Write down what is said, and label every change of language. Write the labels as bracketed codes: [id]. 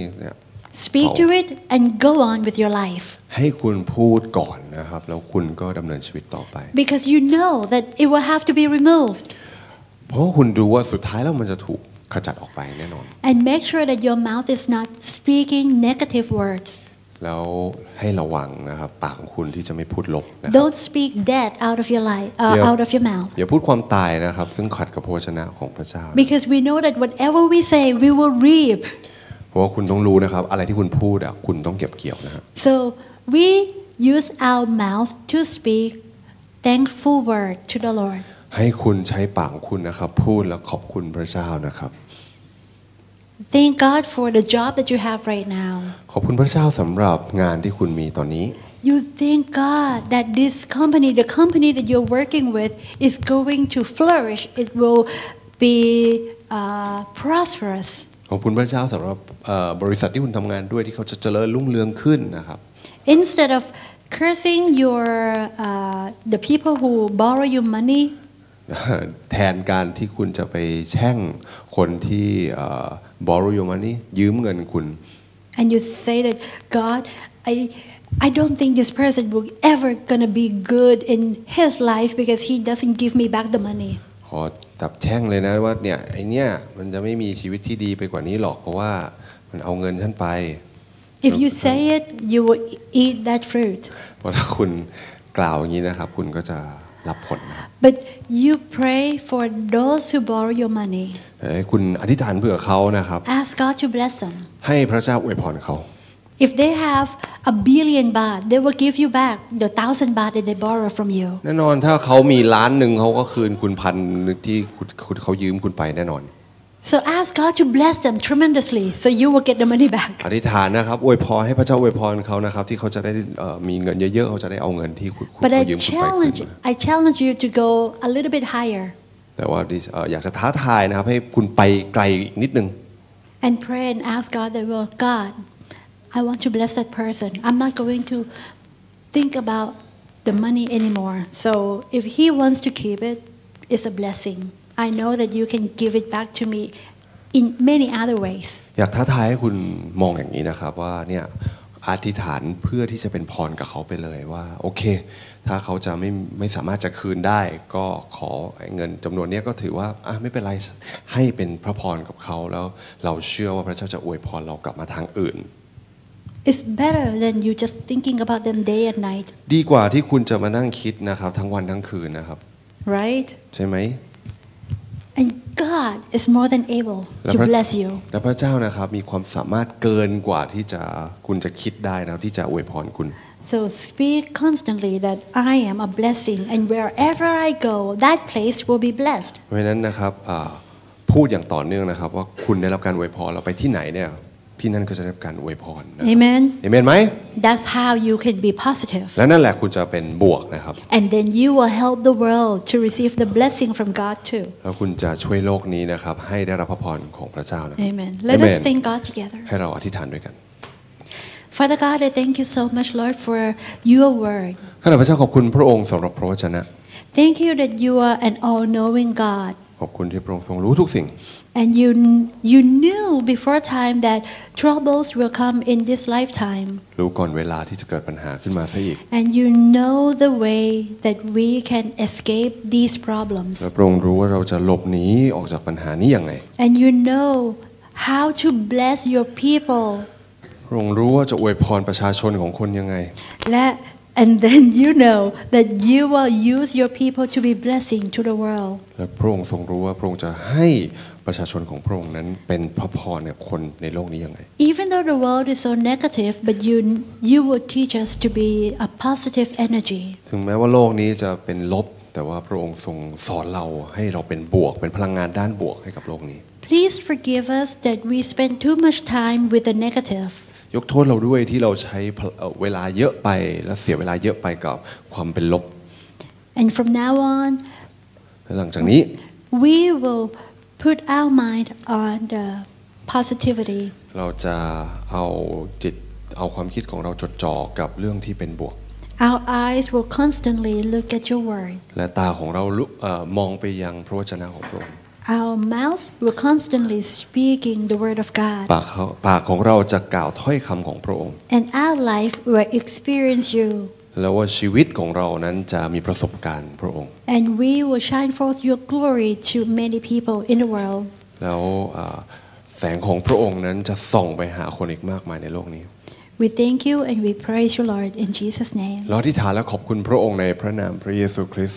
[en] Speak to it and go on with your life [th] ให้คุณพูดก่อนนะครับแล้วคุณก็ดำเนินชีวิตต่อไป [en] Because you know that it will have to be removed [th] เพราะคุณรู้ว่าสุดท้ายแล้วมันจะถูกขจัดออกไปแน่นอน [en] And make sure that your mouth is not speaking negative words [th] แล้วให้ระวังนะครับปากของคุณที่จะไม่พูดลบ [en] Don't speak death out of your life out of your mouth [th] อย่าพูดความตายนะครับซึ่งขัดกับพระวจนะของพระเจ้า [en] Because we know that whatever we say we will reap [th] เพราะว่าคุณต้องรู้นะครับอะไรที่คุณพูดอ่ะคุณต้องเก็บเกี่ยวนะฮะ [en] So we use our mouth to speak thankful word to the Lord [th] ให้คุณใช้ปากคุณนะครับพูดแล้วขอบคุณพระเจ้านะครับ [en] Thank God for the job that you have right now. [th] ขอบคุณพระเจ้าสำหรับงานที่คุณมีตอนนี้ [en] You thank God that this company, the company that you're working with, is going to flourish. It will be prosperous. [th] ขอบคุณพระเจ้าสำหรับบริษัทที่คุณทำงานด้วยที่เขาจะเจริญรุ่งเรืองขึ้นนะครับ [en] Instead of cursing your the people who borrow you money, [th] แทนการที่คุณจะไปแช่งคนที่ [en] borrow your money [th] ยืมเงินคุณ [en] and you say that God I don't think this person will ever gonna be good in his life because he doesn't give me back the money [th] ขอตับแช่งเลยนะว่าเนี่ยไอเนี่ยมันจะไม่มีชีวิตที่ดีไปกว่านี้หรอกเพราะว่ามันเอาเงินฉันไป [en] if you say it you will eat that fruit [th] พอถ้าคุณกล่าวอย่างนี้นะครับคุณก็จะรับผล [en] but you pray for those who borrow your money [th] คุณอธิษฐานเผื่อเขานะครับ [en] ask God to bless them [th] ให้พระเจ้าอวยพรเขา [en] if they have a billion baht they will give you back the 1,000 baht that they borrow from you [th] แน่นอนถ้าเขามีล้านหนึ่งเขาก็คืนคุณพันที่คุณเขายืมคุณไปแน่นอน [en] so ask God to bless them tremendously so you will get the money back [th] อธิษฐานนะครับอวยพรให้พระเจ้าอวยพรเขานะครับที่เขาจะได้มีเงินเยอะๆเขาจะได้เอาเงินที่คุณยืมไปคืน [en] I challenge you to go a little bit higher [th] แต่ว่าอยากจะท้าทายนะครับให้คุณไปไกลอีกนิดนึง [en] And pray and ask God that will God I want to bless that person I'm not going to think about the money anymore so if he wants to keep it it's a blessing I know that you can give it back to me in many other ways [th] อยากท้าทายให้คุณมองอย่างนี้นะครับว่าเนี่ยอธิษฐานเพื่อที่จะเป็นพรกับเขาไปเลยว่าโอเคถ้าเขาจะไม่สามารถจะคืนได้ก็ขอเงินจำนวนนี้ก็ถือว่าไม่เป็นไรให้เป็นพระพรกับเขาแล้วเราเชื่อว่าพระเจ้าจะอวยพรเรากลับมาทางอื่น [en] It's better than you just thinking about them day and night [th] ดีกว่าที่คุณจะมานั่งคิดนะครับทั้งวันทั้งคืนนะครับ [en] Right [th] ใช่ไหม [en] And God is more than able to bless you [th] และพระเจ้านะครับมีความสามารถเกินกว่าที่จะคุณจะคิดได้นะที่จะอวยพรคุณ [en] So speak constantly that I am a blessing, and wherever I go, that place will be blessed. [th] เพราะนั้นนะครับพูดอย่างต่อเนื่องนะครับว่าคุณได้รับการอวยพรเราไปที่ไหนเนี่ยที่นั่นก็จะได้รับการอวยพร [en] Amen. [th] Amen ไหม [en] That's how you can be positive. [th] และนั่นแหละคุณจะเป็นบวกนะครับ [en] And then you will help the world to receive the blessing from God too. [th] แล้วคุณจะช่วยโลกนี้นะครับให้ได้รับพระพรของพระเจ้านะ [en] Amen. Let us thank God together. [th] ให้เราอธิษฐานด้วยกัน [en] Father God, I thank you so much, Lord, for your word. [th] ข้าพเจ้าขอบคุณพระองค์สำหรับพระวจนะ [en] Thank you that you are an all-knowing God. [th] ขอบคุณที่พระองค์ทรงรู้ทุกสิ่ง [en] And you knew before time that troubles will come in this lifetime. [th] รู้ก่อนเวลาที่จะเกิดปัญหาขึ้นมาซะอีก [en] And you know the way that we can escape these problems. [th] และพระองค์รู้ว่าเราจะหลบหนีออกจากปัญหานี้ยังไง [en] And you know how to bless your people. [th] พระองค์รู้ว่าจะอวยพรประชาชนของคนยังไง และ [en] and then you know that you will use your people to be blessing to the world [th] และพระองค์ทรงรู้ว่าพระองค์จะให้ประชาชนของพระองค์นั้นเป็นพระพรกับคนในโลกนี้ยังไง [en] Even though the world is so negative but you will teach us to be a positive energy [th] ถึงแม้ว่าโลกนี้จะเป็นลบแต่ว่าพระองค์ทรงสอนเราให้เราเป็นบวกเป็นพลังงานด้านบวกให้กับโลกนี้ [en] Please forgive us that we spend too much time with the negative [th] ยกโทษเราด้วยที่เราใช้เวลาเยอะไปและเสียเวลาเยอะไปกับความเป็นลบ [en] And from now on [th] หลังจากนี้ [en] we will put our mind on the positivity [th] เราจะเอาจิต เอาความคิดของเราจดจ่อกับเรื่องที่เป็นบวก [en] Our eyes will constantly look at your word [th] และตาของเรามองไปยังพระวจนะของพระองค์ [en] Our mouth will constantly speaking the word of God [th] ปากของเราจะกล่าวถ้อยคำของพระองค์ [en] And our life will experience you [th] แล้วว่าชีวิตของเรานั้นจะมีประสบการณ์พระองค์ [en] And we will shine forth your glory to many people in the world [th] แล้วแสงของพระองค์นั้นจะส่องไปหาคนอีกมากมายในโลกนี้ [en] We thank you and we praise you Lord in Jesus name [th] เราอธิษฐานและขอบคุณพระองค์ในพระนามพระเยซูคริสต